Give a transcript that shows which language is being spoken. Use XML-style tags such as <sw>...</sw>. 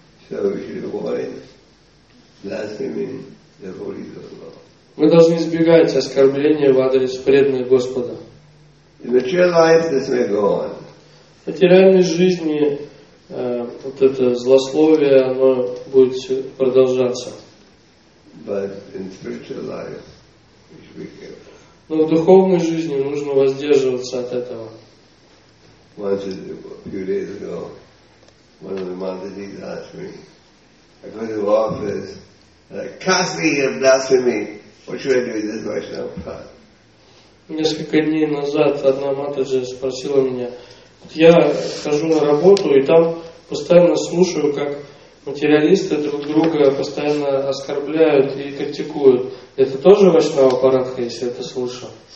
<ru>Мы должны избегать оскорбления в адрес преданных Господа.</ru> <en>In material life, this may go on.</en> <ru>В материальной жизни вот это злословие, оно будет продолжаться.</ru> <en>But in spiritual life, we should be careful.</en> <ru>Но в духовной жизни нужно воздерживаться от этого.</ru> <en>Once, a few days ago, one of the Mataji's asked me, I go to the office, Kasi of blasphemy, what should I do with this Vaishnava path?</en> <ru>Несколько дней назад одна матаджа спросила меня, я хожу на работу и там постоянно слушаю, как материалисты друг друга постоянно оскорбляют и критикуют. Это тоже Вайшнава Парадха, если это слушал?</ru>